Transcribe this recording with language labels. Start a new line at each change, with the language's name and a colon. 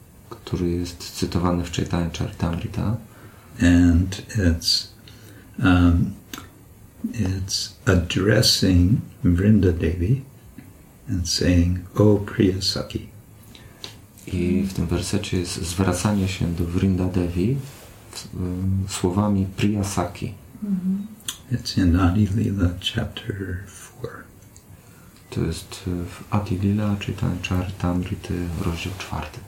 Polish: który jest cytowany w Chaitanya Charitamrita.
English: And it's it's addressing Vrinda Devi and saying, O Priya Saki.
Polish: I w tym wersecie jest zwracanie się do Vrinda Devi słowami Priya Saki.
English: It's in Adi Lila, chapter 4.
Polish: To jest w Adi Lila, czyli tam Charitamrity, rozdział 4.